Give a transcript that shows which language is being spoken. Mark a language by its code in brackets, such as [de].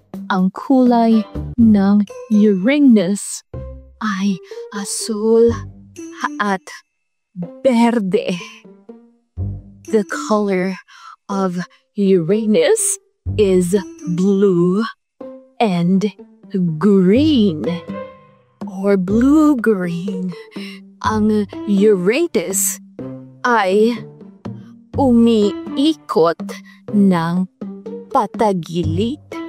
[tl] Ang kulay ng Uranus ay azul at verde. [en] The color of Uranus is blue and green, or blue-green. [tl] Ang Uranus ay umiikot ng patagilit.